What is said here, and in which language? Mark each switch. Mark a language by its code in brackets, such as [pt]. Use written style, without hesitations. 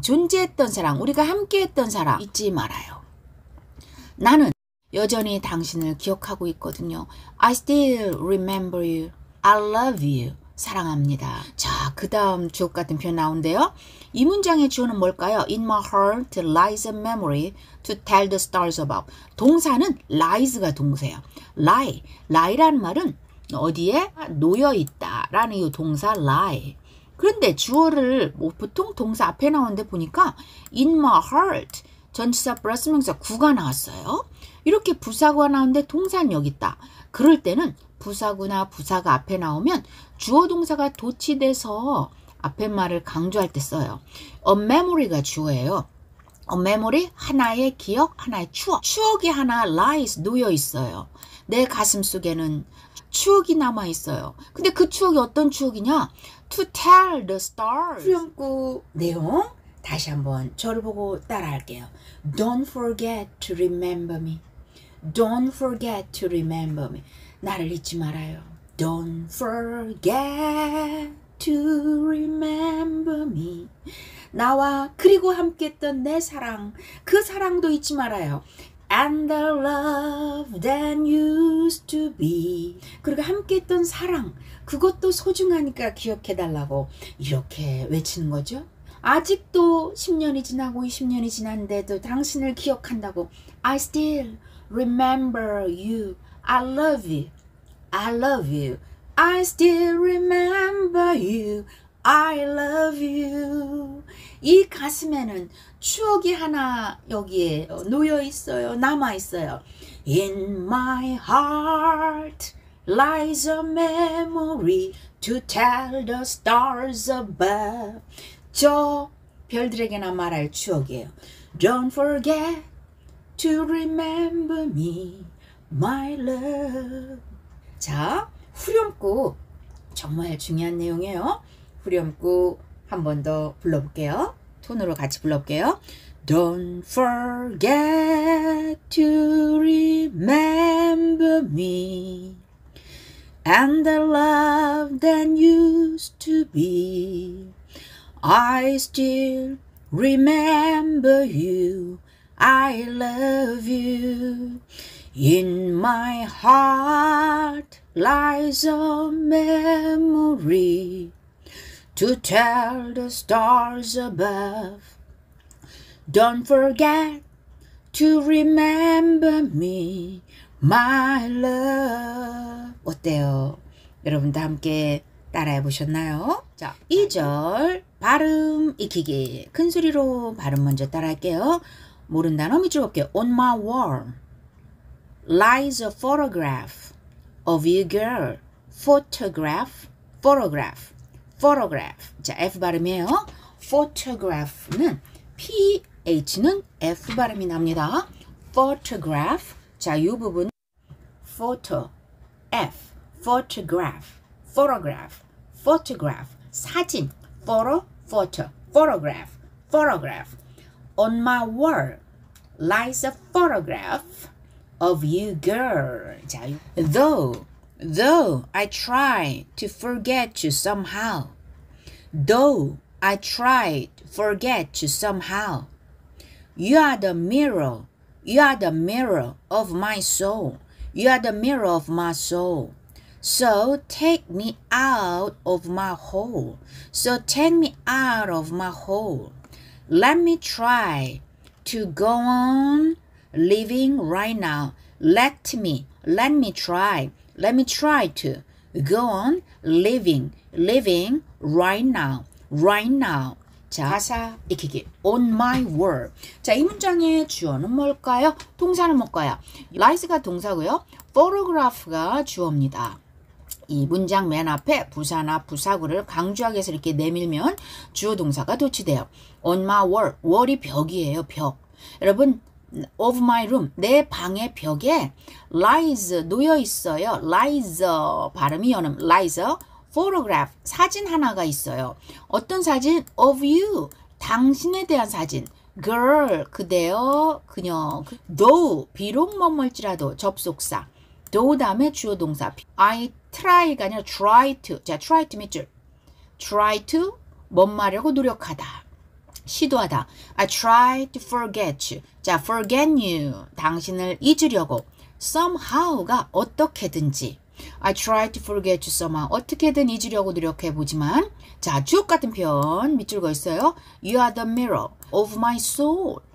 [ko] 존재했던 사랑. 우리가 함께했던 사랑. 잊지 말아요. 나는 여전히 당신을 기억하고 있거든요. [en] I still remember you. I love you. [ko] 사랑합니다. 자, 그 다음 주옥 같은 표현 나오는데요. 이 문장의 주어는 뭘까요? [en] In my heart lies a memory to tell the stars about. [ko] 동사는 lies가 동사예요. [en] lie. [ko] lie라는 말은 어디에 놓여있다라는 이 동사 lie. 그런데 주어를 뭐 보통 동사 앞에 나오는데 보니까 [en] in my heart [ko] 전치사 플러스 명사 구가 나왔어요. 이렇게 부사구가 나오는데 동사는 여기 있다. 그럴 때는 부사구나 부사가 앞에 나오면 주어 동사가 도치돼서 앞에 말을 강조할 때 써요. [en] A memory [ko] 가 주어예요. A memory, 하나의 기억, 하나의 추억. 추억이 하나, lies, 놓여 있어요. 내 가슴 속에는 추억이 남아 있어요. 근데 그 추억이 어떤 추억이냐? [en] To tell the stars. [ko] 후렴구 내용 다시 한번 저를 보고 따라할게요. [en] Don't forget to remember me. Don't forget to remember me. [ko] 나를 잊지 말아요. [en] Don't forget to remember me. [ko] 나와 그리고 함께했던 내 사랑, 그 사랑도 잊지 말아요. [en] And the love that used to be. [ko] 그리고 함께했던 사랑, 그것도 소중하니까 기억해달라고 이렇게 외치는 거죠. 아직도 10년이 지나고 20년이 지났는데도 당신을 기억한다고 [en] I still remember you. I love you. I love you. I still remember you. I love you. [ko] 이 가슴에는 추억이 하나 여기에 놓여 있어요. 남아 있어요. [en] In my heart lies a memory to tell the stars above. [ko] 저 별들에게나 말할 추억이에요. [en] Don't forget to remember me, my love. [ko] 자, 후렴구 정말 중요한 내용이에요. 후렴구 한 번 더 불러볼게요. 톤으로 같이 불러볼게요. [en] Don't forget to remember me and the love that used to be. I still remember you. I love you. In my heart lies a memory to tell the stars above. Don't forget to remember me, my love. [ko] 어때요? 여러분도 함께 따라해 보셨나요? 자, 2절 발음 익히기. 큰 소리로 발음 먼저 따라할게요. 모른 단어 밑줄 볼게요. [en] On my wall lies a photograph of you, girl. Photograph, photograph, photograph. [ko] 자, F 발음이에요. Photograph는 PH는 F 발음이 납니다. [en] Photograph. [ko] 자, 이 부분 [en] photo, F, photograph, photograph, photograph, [ko] 사진, [en] photo, photo, photograph, photograph. On my wall lies a photograph of you, girl. 자, though I try to forget you somehow, though I try to forget you somehow, you are the mirror, you are the mirror of my soul, you are the mirror of my soul. So take me out of my hole. So take me out of my hole. Let me try to go on living right now. Let me try. Let me try to go on living right now. Right now. [ko] 자, 가사 익히기. [en] On my word. [ko] 자, 이 문장의 주어는 뭘까요? 동사는 뭘까요? Lies가 동사고요. Photograph가 주어입니다. 이 문장 맨 앞에 부사나 부사구를 강조하게 해서 이렇게 내밀면 주어 동사가 도치돼요. [en] On my wall. [ko] Wall이 벽이에요. 벽. 여러분, [en] of my room. [ko] 내 방의 벽에 lies 놓여 있어요. [en] Lies [ko] 발음이 연음. [en] Lies. Photograph. [ko] 사진 하나가 있어요. 어떤 사진? [en] Of you. [ko] 당신에 대한 사진. Girl. 그대요. 그녀. Though. 비록 머물지라도. 접속사. Though 다음에 주어 동사. [en] I try [ko] 가 아니라 [en] try to. [ko] 자, try to 밑줄. [en] Try to [ko] 멈마려고 노력하다. 시도하다. [en] I try to forget you. 자, forget you. [ko] 당신을 잊으려고. Somehow가 어떻게든지. [en] I try to forget you somehow. [ko] 어떻게든 잊으려고 노력해보지만. 자, 주옥 같은 표현 밑줄 거 있어요. [en] You are the mirror of my soul.